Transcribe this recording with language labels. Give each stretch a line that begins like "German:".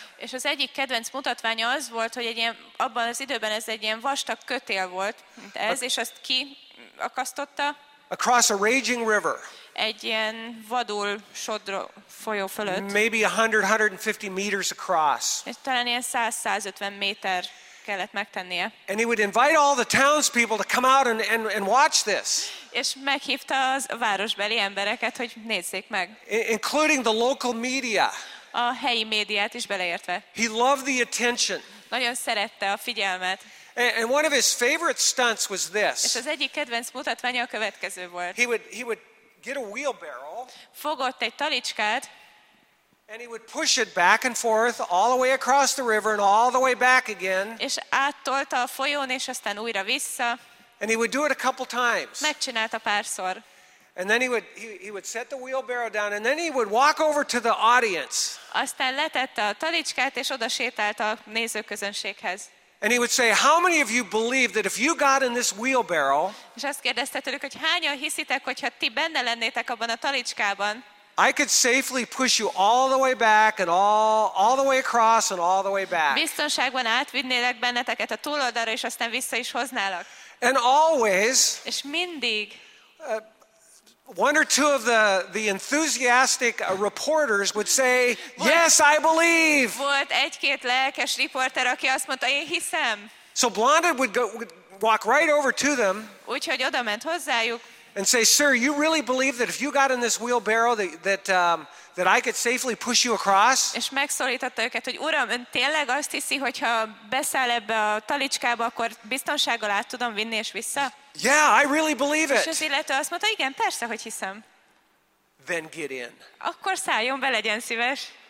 Hungarian: És az egyik kedvenc mutatványa az volt, hogy egy ilyen, abban az időben ez egy ilyen vastag kötél volt, mint ez, és azt ki akasztotta.
English: Across a raging river.
Hungarian: Egy ilyen vadul sodró folyó fölött.
English: Maybe 100-150 meters across.
Hungarian: És talán ilyen 100-150 méter kellett megtennie.
English: And he would invite all the townspeople to come out and watch this.
Hungarian: És meghívta az városbeli embereket, hogy nézzék meg.
English: Including the local media.
Hungarian: A helyi médiát is beleértve.
English: He loved the attention.
Hungarian: Nagyon szerette a figyelmet.
English: And one of his favorite stunts was this.
Hungarian: És az egyik kedvenc mutatványa a következő volt.
English: He would get a wheelbarrow.
Hungarian: Fogott egy talicskát.
English: And he would push it back and forth all the way across the river and all the way back again.
Hungarian: És áttolta a folyón és aztán újra vissza.
English: And he would do it a couple times.
Hungarian: Megcsinálta párszor.
English: And then he would set the wheelbarrow down and then he would walk over to the audience.
Hungarian: Aztán letette a talicskát és oda sétált a nézőközönséghez.
English: And he would say, "How many of you believe that if you got in this wheelbarrow?"
Hungarian: És azt kérdezte tőlük, hogy hányan hiszitek, hogyha ti benne lennétek abban a talicskában?
English: I could safely push you all the way back and all the way across and all the way back.
Hungarian: Biztonságban átvinnélek benneteket a túloldalra és aztán vissza is hoználak.
English: And always.
Hungarian: És mindig.
English: One or two of the enthusiastic reporters would say, "Yes, I believe."
Hungarian: Volt egy-két lelkes riporter, aki azt mondta, én hiszem.
English: So Blondin would walk right over to them.
Hungarian: Úgyhogy oda ment hozzájuk.
English: And say, "Sir, you really believe that if you got in this wheelbarrow that I could safely push you across?"
Hungarian: És megszólította őket, hogy uram, ön tényleg azt hiszi, hogyha beszáll ebbe a talicskába, akkor biztonsággal át tudom vinni és vissza?
English: Yeah, I really believe it.
Hungarian: És az illető azt mondta, igen, persze, hogy hiszem.
English: Then get in.
Hungarian: Akkor szálljon be, legyen szíves.